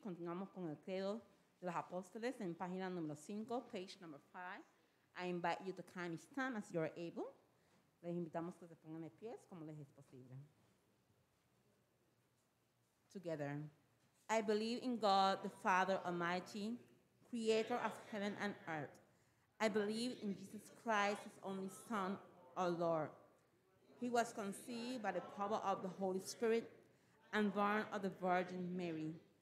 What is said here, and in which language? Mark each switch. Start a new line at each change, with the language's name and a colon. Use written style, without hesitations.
Spanish: Continuamos con el credo de los apóstoles en página número 5,
English: page number 5. I invite you to kindly stand as you are able.
Spanish: Les invitamos que se pongan de pies como les es posible.
English: Together. I believe in God, the Father Almighty, creator of heaven and earth. I believe in Jesus Christ, his only Son, our Lord. He was conceived by the power of the Holy Spirit, and born of the Virgin Mary.